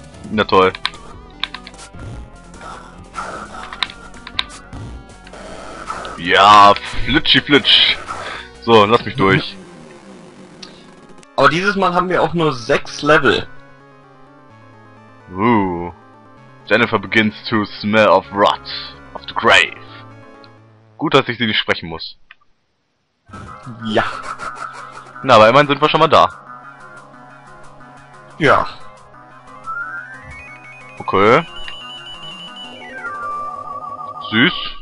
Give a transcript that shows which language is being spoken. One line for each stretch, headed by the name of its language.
German: Na toll. Ja, flitschi flitsch. So, lass mich durch. Aber dieses Mal haben wir auch nur 6 Level.
English: Jennifer begins to smell of rot of the grave.
German: Gut, dass ich sie nicht sprechen muss. Ja. Na, aber immerhin sind wir schon mal da. Ja. Okay. Süß.